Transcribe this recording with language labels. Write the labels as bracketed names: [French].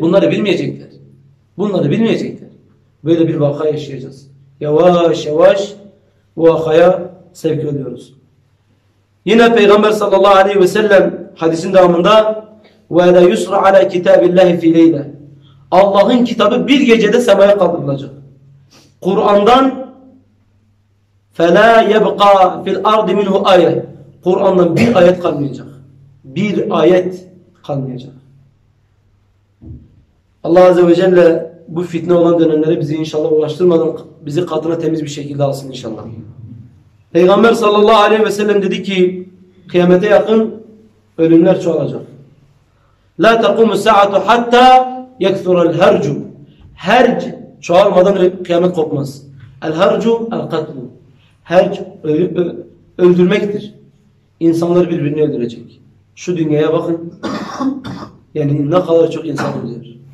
[Turkish] Bunları bilmeyecekler. Bunları bilmeyecekler. Böyle bir vaka yaşayacağız. Yavaş yavaş bu vakaya sevk ediyoruz. Yine Peygamber sallallahu aleyhi ve sellem hadisin devamında [Arabic] وَلَا يُسْرَ عَلَى كِتَابِ اللّٰهِ فِي لَيْلَةٍ [Turkish] Allah'ın kitabı bir gecede semaya kaldırılacak. Kur'an'dan [Arabic] فَلَا يَبْقَى فِي الْاَرْضِ مِنْهُ اَيَةٍ [Turkish] Kur'an'dan bir ayet kalmayacak. Bir ayet kalmayacak. Allah Azze ve Celle bu fitne olan dönemlere bizi inşallah ulaştırmadan bizi kadına temiz bir şekilde alsın inşallah. Peygamber sallallahu aleyhi ve sellem dedi ki kıyamete yakın ölümler çoğalacak. [Arabic] لَا تَقُمُ السَّاعَةُ حَتَّى يَكْثُرَ الْهَرْجُ [Turkish] Herc çoğalmadan kıyamet kopmaz. [Arabic] الْهَرْجُ الْقَتْلُ [Turkish] Herc öldürmektir. İnsanlar birbirini öldürecek. Şu dünyaya bakın. Yani ne kadar çok insan ölüyor.